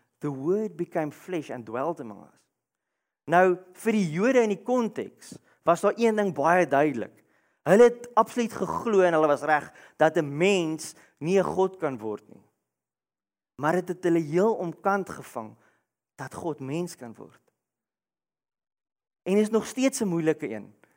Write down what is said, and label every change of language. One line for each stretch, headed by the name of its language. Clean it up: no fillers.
English: The Word became flesh and dwelt among us.
Afrikaans: Nou, vir die Jode in die context, was daar een ding baie duidelik. Hulle het absoluut geglo en hulle was reg, dat een mens nie een God kan word nie. Maar het hulle heel omkant gevang, dat God mens kan word. En is nog steeds een moeilike een.